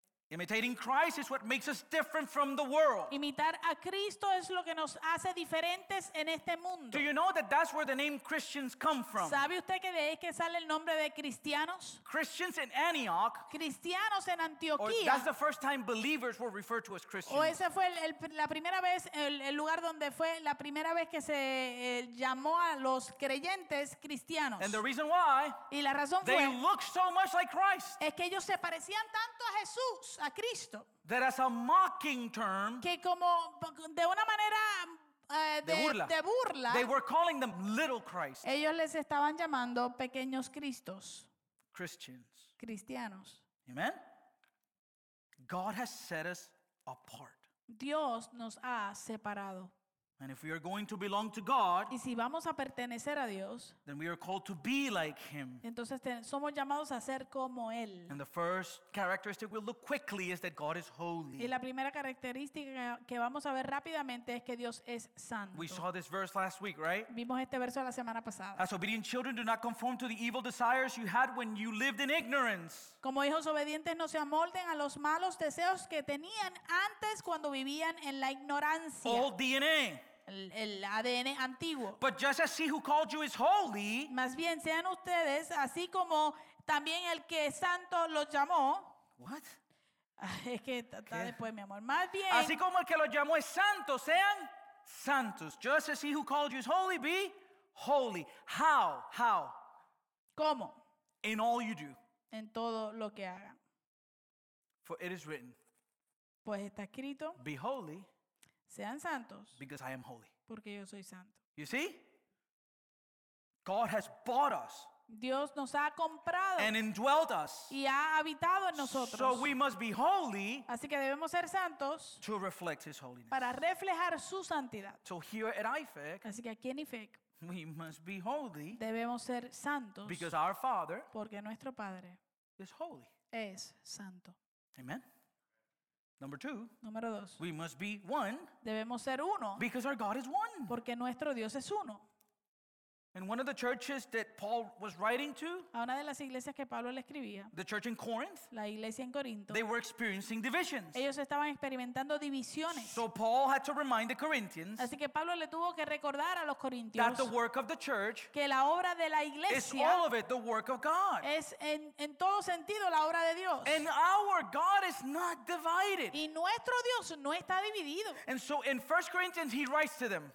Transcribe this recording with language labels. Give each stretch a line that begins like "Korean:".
English: Imitating Christ is what makes us different from the world.
Spanish: Imitar a Cristo es lo que nos hace diferentes en este mundo.
English: Do you know that that's where the name Christians come from?
Spanish: ¿Sabe usted que de ahí que sale el nombre de cristianos?
English: Christians in Antioch.
Spanish: Cristianos en Antioquía.
English: Or that's the first time believers were referred to as Christians.
Spanish: O ese fue la primera vez el lugar donde fue la primera vez que se llamó a los creyentes cristianos.
English: And the reason why?
Spanish: Y la razón
English: they
Spanish: fue.
English: They looked so much like Christ.
Spanish: Es que ellos se parecían tanto a Jesús. A Cristo.
English: That as a mocking term,
Spanish: que como de una manera de burla,
English: they were calling them little Christ.
Spanish: Ellos les estaban llamando pequeños Cristos.
English: Christians.
Spanish: Cristianos.
English: Amen. God has set us apart.
Spanish: Dios nos ha separado.
English: And if we are going to belong to God,
Spanish: y si vamos a pertenecer a Dios,
English: then we are called to be like Him.
Spanish: Entonces somos llamados a ser como Él.
English: And the first characteristic we'll look quickly is that God is holy.
Spanish: Y la primera característica que vamos a ver rápidamente es que Dios es santo.
English: We saw this verse last week, right?
Spanish: Vimos este verso la semana pasada.
English: As obedient children, do not conform to the evil desires you had when you lived in ignorance.
Spanish: Como hijos obedientes, no se amolden a los malos deseos que tenían antes cuando vivían en la ignorancia.
English: Old DNA.
Spanish: El ADN antiguo.
English: But just as he who called you is holy,
Spanish: más bien sean ustedes así como también el que santo los llamó.
English: What?
Spanish: Es que está después, mi amor. Más bien. Así como el que los llamó es santo, sean santos.
English: Just as he who called you is holy, be holy. How? How?
Spanish: ¿Cómo?
English: In all you do.
Spanish: En todo lo que hagan.
English: For it is written.
Spanish: Pues está escrito.
English: Be holy.
Spanish: Sean santos.
English: Because I am holy.
Spanish: Porque yo soy santo.
English: You see? God has bought us.
Spanish: Dios nos ha comprado.
English: And indwelt us.
Spanish: Y ha habitado en nosotros.
English: So we must be holy.
Spanish: Así que debemos ser santos.
English: To reflect his holiness.
Spanish: Para reflejar su santidad.
English: So here at IFEC.
Spanish: Así que aquí en IFEC.
English: We must be holy.
Spanish: Debemos ser santos.
English: Because our Father.
Spanish: Porque nuestro Padre.
English: Is holy.
Spanish: Es santo.
English: Amen. Number two.
Spanish: Número dos.
English: We must be one.
Spanish: Debemos ser uno.
English: Because our God is one.
Spanish: Porque nuestro Dios es uno.
English: And one of the churches that Paul was writing to,
Spanish: a una de las iglesias que Pablo le escribía,
English: the church in Corinth,
Spanish: la iglesia en Corinto,
English: they were experiencing divisions.
Spanish: Ellos estaban experimentando divisiones.
English: So Paul had to remind the Corinthians,
Spanish: así que Pablo le tuvo que recordar a los corintios,
English: that the work of the church,
Spanish: que la obra de la iglesia,
English: is all of it the work of God.
Spanish: Es en todo sentido la obra de Dios.
English: And our God is not divided.
Spanish: Y nuestro Dios no está dividido.
English: And so in 1 Corinthians he writes to them.